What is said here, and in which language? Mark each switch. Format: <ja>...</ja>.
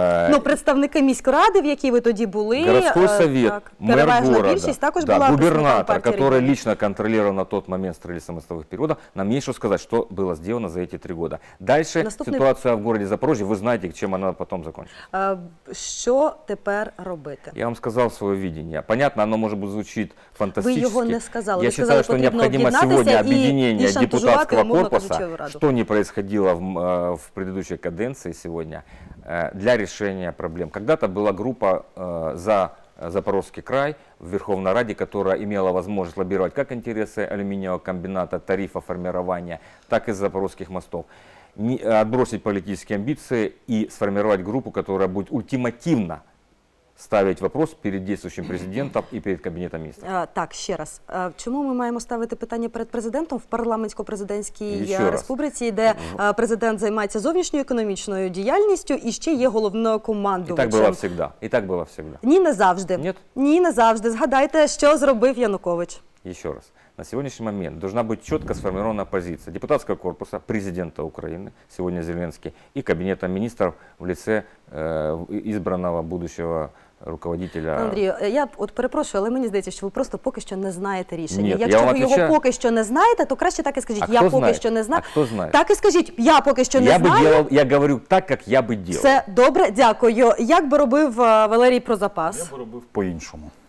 <uk>Ну, представники міської ради, в якій ви тоді були,</uk> <ru>городской совет, мер города,</ru> <uk>більшість, також була</uk> <ru>губернатор, который регіону. Лично контролировал на тот момент строительство мостовых переходов, нам есть что сказать, что было сделано за эти 3 года. Дальше ситуация в городе Запорожье, вы знаете, чем она потом закончится. Что теперь</ru> <uk>робити?</uk> <ru>Я вам сказал свое видение. Понятно, оно может быть звучит фантастически. Вы его не сказали. Я считаю, что необходимо сегодня объединение депутатского корпуса, что не происходило в предыдущей каденции сегодня, для решения проблем. Когда-то была группа за Запорожский край в Верховной Раде, которая имела возможность лоббировать как интересы алюминиевого комбината, тарифа формирования, так и запорожских мостов. Отбросить политические амбиции и сформировать группу, которая будет ультимативно ставить вопрос перед действующим президентом и перед кабинетом министров. Так, еще раз. Чему мы</ru> <uk>маємо ставить питання перед президентом в парламентсько-президентській республіці, де президент займається зовнішньою економічною діяльністю і ще є головною командою? І так було завжди. І так було завжди. Ні, не завжди. Ні, не завжди. Згадайте, що зробив Янукович.</uk> <ru>Еще раз. На сегодняшний момент должна быть четко сформирована позиция депутатского корпуса, президента Украины, сегодня Зеленский, и кабинета министров в лице избранного будущего руководителя.</ru> <uk>Андрій, я от перепрошую, але мені здається, що ви просто поки що не знаєте рішення. Ні, якщо ви його поки що не знаєте, то краще так і скажіть. А хто знає? Що не знаю. А хто знає? Так і скажіть. Я поки що не знаю. Я говорю так, як я би діяв. Все добре, дякую. Як би робив Валерій Прозапас? Я би робив по-іншому.</uk>